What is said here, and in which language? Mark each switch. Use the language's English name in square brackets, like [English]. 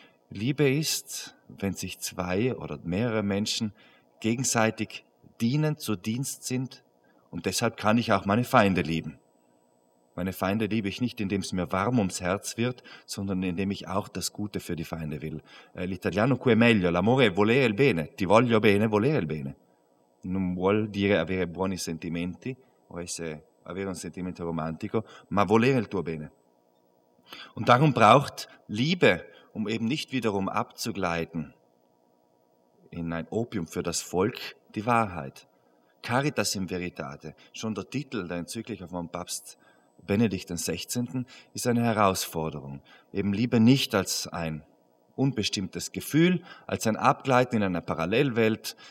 [German] Liebe ist, wenn sich zwei oder mehrere Menschen gegenseitig dienen, zu Dienst sind und deshalb kann ich auch meine Feinde lieben. Meine Feinde liebe ich nicht, indem es mir warm ums Herz wird, sondern indem ich auch das Gute für die Feinde will. [Italian] L'italiano qui è meglio, l'amore è volere il bene, ti voglio bene, volere il bene. Non vuol dire avere buoni sentimenti o avere un sentimento romantico, ma volere il tuo bene. [German] Und darum braucht Liebe, um eben nicht wiederum abzugleiten in ein Opium für das Volk, die Wahrheit. Caritas in Veritate, schon der Titel der Enzyklika von Papst Benedikt XVI. Ist eine Herausforderung. Eben Liebe nicht als ein unbestimmtes Gefühl, als ein Abgleiten in einer Parallelwelt.